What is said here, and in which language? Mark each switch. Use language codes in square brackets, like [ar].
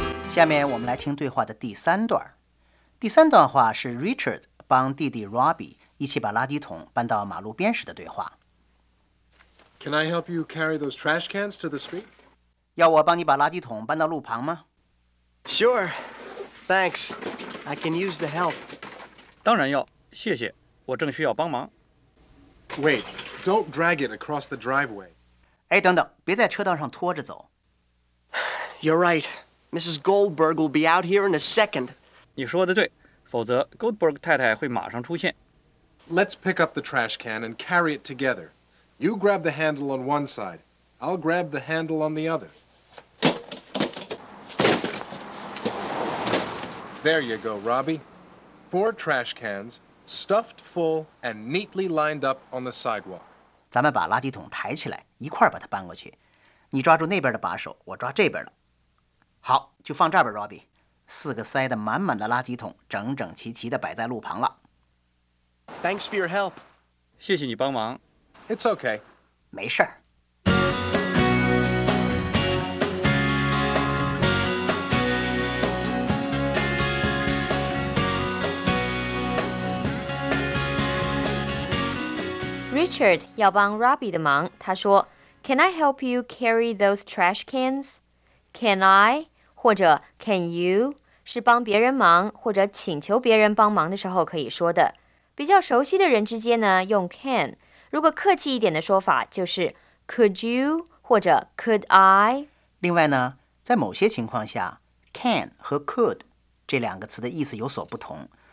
[zh] 下面我们来听对话的第三段。第三段话是 Richard 帮弟弟 Robbie 一起把垃圾桶搬到马路边时的对话。 [en] Can I help you carry those trash cans to the street? [zh] 要我帮你把垃圾桶搬到路旁吗？ [en] Sure. Thanks. I can use the help. [zh] 当然要，谢谢。我正需要帮忙。 [en] Wait, don't drag it across the driveway. [zh] 哎，等等，别在车道上拖着走。 [en] You're right. Mrs. Goldberg will be out here in a second. [zh] 你说的对，否则 Goldberg 太太会马上出现。 [en] Let's pick up the trash can and carry it together. You grab the handle on one side. I'll grab the handle on the other. There you go, Robbie. Four trash cans, stuffed full and neatly lined up on the sidewalk. [zh] 咱们把垃圾桶抬起来，一块把它搬过去。你抓住那边的把手，我抓这边的。好，就放这儿吧 ，Robbie。四个塞得满满的垃圾桶，整整齐齐地摆在路旁了。 [en] Thanks for your help。 [zh] 谢谢你帮忙。 [en] It's okay。 [zh] 没事儿。 [en] Richard [zh] 要帮 [en] Robbie [zh] 的忙，他说 [en] ：“Can I help you carry those trash cans? Can I?” [zh] 或者 [en] can you [zh] 是帮别人忙或者请求别人帮忙的时候可以说的。比较熟悉的人之间呢用 can， 如果客气一点的说法就是 [en] could you [zh] 或者 [en] could I。 [zh] 另外呢，在某些情况下 can 和 could 这两个词的意思有所不同。